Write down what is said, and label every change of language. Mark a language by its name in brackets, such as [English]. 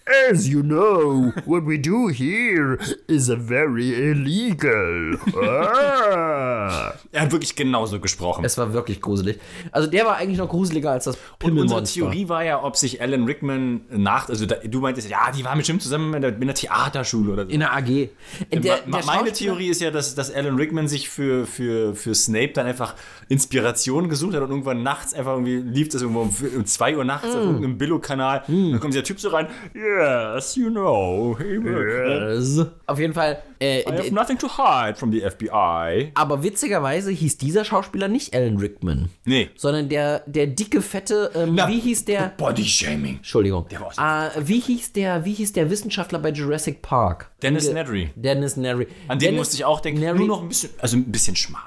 [English] As you know, what we do here is a very illegal. [German] Ah. Er hat wirklich genauso gesprochen. Es war wirklich gruselig. Also der war eigentlich noch gruseliger als das Pimmelmonster. Und unsere Theorie war ja, ob sich Alan Rickman nach... Also da, du meintest, ja, die waren bestimmt zusammen in der Theaterschule oder so. In der AG. Meine Theorie ist ja, dass Alan Rickman sich für Snape dann einfach Inspiration gesucht hat und irgendwann nachts einfach irgendwie lief das irgendwo um 2 Uhr nachts auf irgendeinem Billo-Kanal. Dann kommt dieser Typ so rein. [English] Yes, you know. [German] Yes. Auf jeden Fall. [English] I have nothing to hide from the FBI. [German] Aber witzigerweise hieß dieser Schauspieler nicht Alan Rickman. Nee. Sondern der dicke, fette, wie hieß der? Body Shaming. Entschuldigung. Der war wie hieß der Wissenschaftler bei Jurassic Park? Dennis Nedry. An den musste ich auch denken. Nedry, nur noch ein bisschen schmal.